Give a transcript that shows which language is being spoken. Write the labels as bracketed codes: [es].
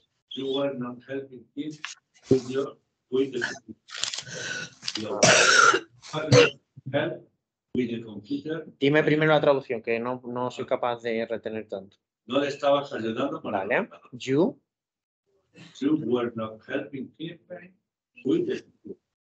[en] You were not helping him with your computer. [es] Dime primero la traducción, que no soy capaz de retener tanto. No le estabas ayudando con vale. [en] El You were not helping him with the computer.